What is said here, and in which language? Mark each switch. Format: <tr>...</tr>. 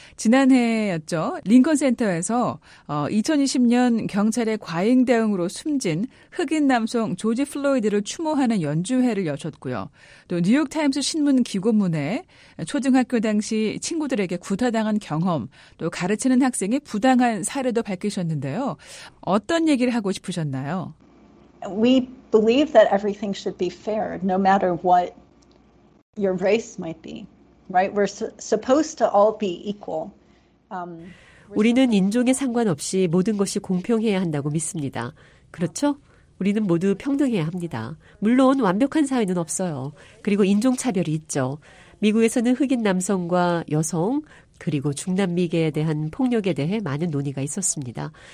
<ko>지난해였죠. 링컨센터에서 2020년 경찰의 과잉 대응으로 숨진 흑인 남성 조지 플로이드를 추모하는 연주회를 여셨고요. 또 뉴욕타임스 신문 기고문에 초등학교 당시 친구들에게 구타당한 경험, 또 가르치는 학생이 부당한 사례도 밝히셨는데요. 어떤 얘기를 하고 싶으셨나요?</ko> <en>We believe that everything should be fair, no matter what your race might be, right? We're supposed to all be equal.</en> <ko>우리는 인종에 상관없이 모든 것이 공평해야 한다고 믿습니다. 그렇죠? 우리는 모두 평등해야 합니다. 물론 완벽한 사회는 없어요. 그리고 인종차별이 있죠. 미국에서는 흑인 남성과 여성, 그리고 중남미계에 대한 폭력에 대해 많은 논의가 있었습니다.</ko>